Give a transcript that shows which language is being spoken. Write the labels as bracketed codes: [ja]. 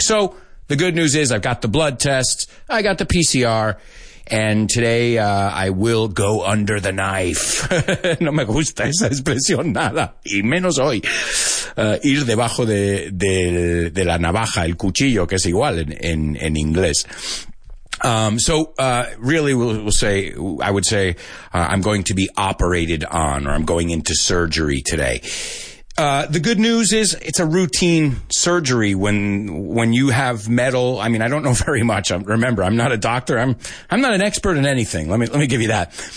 [en] So, the good news is I've got the blood tests, I got the PCR, and today I will go under the knife. [es] No me gusta esa expresión nada, y menos hoy. Ir debajo de la navaja, el cuchillo, que es igual en inglés. [en] Really, I would say I'm going to be operated on, or I'm going into surgery today. The good news is it's a routine surgery when you have metal. I mean, I don't know very much. Remember, I'm not a doctor. I'm not an expert in anything. Let me give you that.